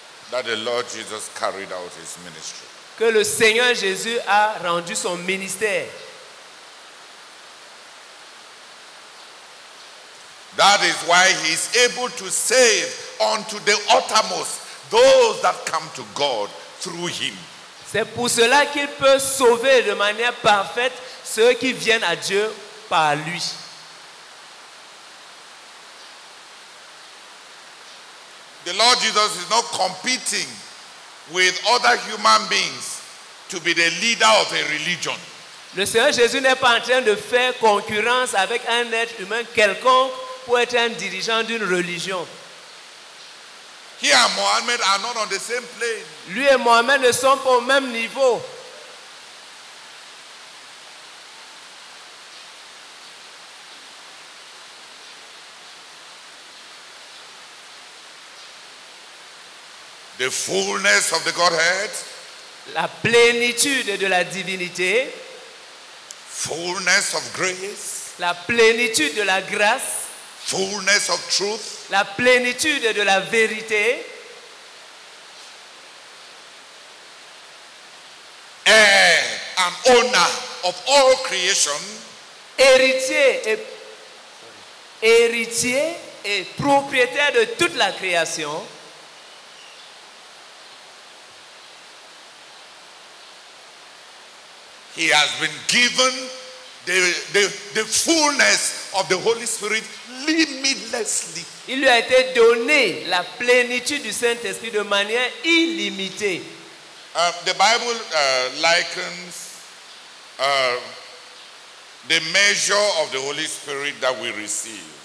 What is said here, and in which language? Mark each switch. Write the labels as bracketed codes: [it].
[en] That the Lord Jesus carried out his ministry. [fr] Que le Seigneur Jésus a rendu son ministère. [en] That is why he is able to save unto the uttermost those that come to God through him. [fr] C'est pour cela qu'il peut sauver de manière parfaite ceux qui viennent à Dieu par lui. [en] The Lord Jesus is not competing with other human beings to be the leader of a religion. [fr] Le Seigneur Jésus n'est pas en train de faire concurrence avec un être humain quelconque pour être un dirigeant d'une religion. [en] He and Mohammed are not on the same plane. [fr] Lui et Mohammed ne sont pas au même niveau. [en] The fullness of the Godhead. [fr] La plénitude de la divinité. [en] Fullness of grace. [fr] La plénitude de la grâce. [en] Fullness of truth. [fr] La plénitude de la vérité. [en] Heir and owner of all creation. [fr] Héritier et propriétaire de toute la création. [en] He has been given the fullness of the Holy Spirit limitlessly. [fr] Il lui a été donné la plénitude du Saint-Esprit de manière illimitée. [en] The Bible likens the measure of the Holy Spirit that we receive.